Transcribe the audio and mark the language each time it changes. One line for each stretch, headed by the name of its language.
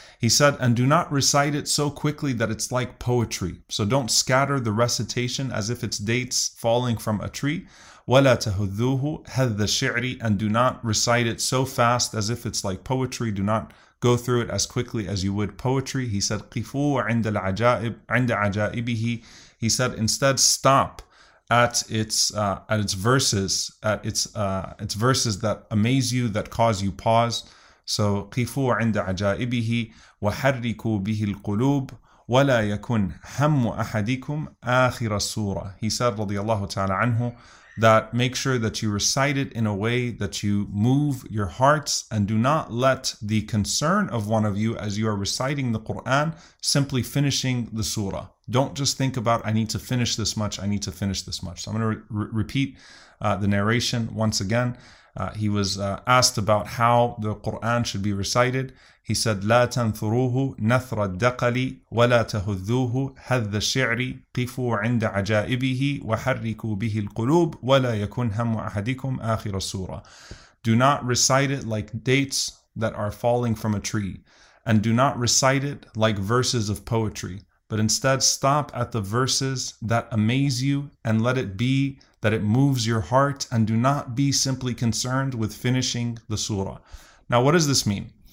English: He said, and do not recite it so quickly that it's like poetry. So don't scatter the recitation as if it's dates falling from a tree.
Arabic: وَلَا تَهُذُّهُ هَذَّ الشِّعْرِ.
English: And do not recite it so fast as if it's like poetry. Do not go through it as quickly as you would poetry. He said,
Arabic: قِفُوا عِنْدَ الْعَجَائِبِ عِنْدَ عَجَائِبِهِ.
English: He said, instead, stop at its verses that amaze you, that cause you pause. So
Arabic: قِفُوا عِنْدَ عَجَائِبِهِ وَحَرِّكُوا بِهِ الْقُلُوبِ وَلَا يَكُنْ هَمُّ أَحَدِكُمْ آخِرَ السُّورَةِ.
English: He said radiallahu ta'ala anhu, that make sure that you recite it in a way that you move your hearts, and do not let the concern of one of you as you are reciting the Quran simply finishing the surah. Don't just think about, I need to finish this much, I need to finish this much. So I'm going to repeat the narration once again. He was asked about how the Quran should be recited. He said,
Arabic: لا تنثروه نثر الدقل ولا تهذوه هذ الشعر قفوا عند عجائبه وحركوا به القلوب ولا يكن هم أحدكم آخر السورة.
English: Do not recite it like dates that are falling from a tree, and do not recite it like verses of poetry, but instead stop at the verses that amaze you and let it be that it moves your heart, and do not be simply concerned with finishing the surah. Now, what does this mean?